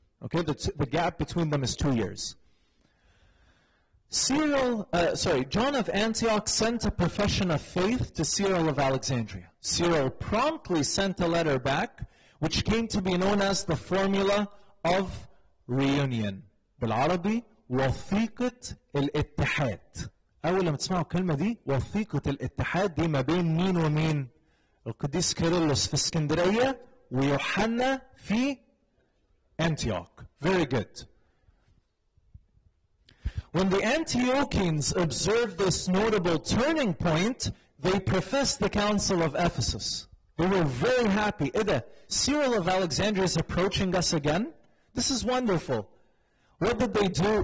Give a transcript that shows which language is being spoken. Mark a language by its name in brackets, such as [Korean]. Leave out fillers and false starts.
[English] Okay, the gap between them is 2 years. John of Antioch sent a profession of faith to Cyril of Alexandria. Cyril promptly sent a letter back, which came to be known as the formula of reunion. [Arabic] بالعربي وثيقة الاتحاد. أول لما تسمعوا الكلمة دي وثيقة الاتحاد دي ما بين مين ومين؟ القديس كيرلس في اسكندرية ويوحنا في Antioch. [English] Very good. When the Antiochians observed this notable turning point, they professed the Council of Ephesus. They were very happy. Ida, Cyril of Alexandria is approaching us again. This is wonderful. What did they do?